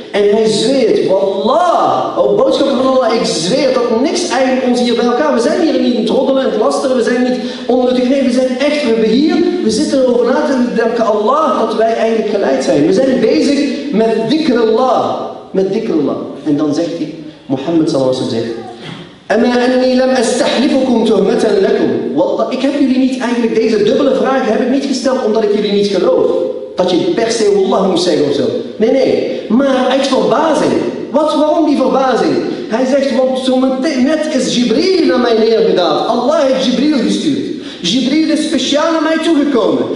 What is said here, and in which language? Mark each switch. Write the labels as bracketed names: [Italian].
[Dutch] En hij zweert, wallah, op boodschap van Allah, ik zweer dat niks eigenlijk ons hier bij elkaar. We zijn hier niet in het roddelen, het lasteren, we zijn niet onder het gegeven. We zijn echt, we hebben hier, we zitten erover na te denken, Allah, dat wij eigenlijk geleid zijn. We zijn bezig met dikr Allah. Met dikr Allah. En dan zegt hij, Mohammed sallallahu alaihi wasallam. [Arabic] أما أني لم أستحلفكم تهمة لكم. [Dutch] والله ik heb jullie niet eigenlijk deze dubbele vraag heb ik niet gesteld omdat ik jullie niet geloof dat je per se Allah moet zeggen of zo. Nee nee, maar uit verbazing. Wat, waarom die verbazing? Hij zegt want zo net is Jibril naar mij neergedaald. Allah heeft Jibril gestuurd. Jibril is speciaal naar mij toegekomen.